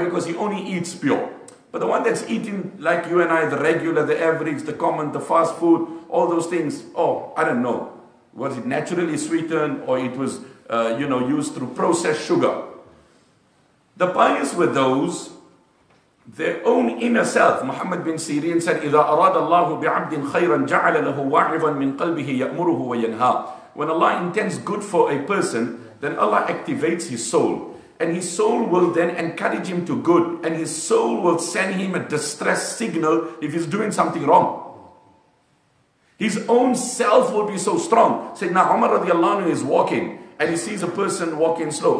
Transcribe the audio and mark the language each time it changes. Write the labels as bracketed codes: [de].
[en] Because he only eats pure. But the one that's eating like you and I, the regular, the average, the common, the fast food, all those things, oh, I don't know. Was it naturally sweetened, or it was, used through processed sugar? The pious were those, their own inner self. [ar] Muhammad bin Sirin said, إِذَا أَرَادَ اللَّهُ بِعَبْدٍ خَيْرًا جَعَلَ لَهُ وَاعِظًا مِّنْ قَلْبِهِ يَأْمُرُهُ وَيَنْهَى. [en] When Allah intends good for a person, then Allah activates his soul. And his soul will then encourage him to good. And his soul will send him a distress signal if he's doing something wrong. His own self will be so strong. Sayyidina Umar radiallahu anhu is walking and he sees a person walking slow.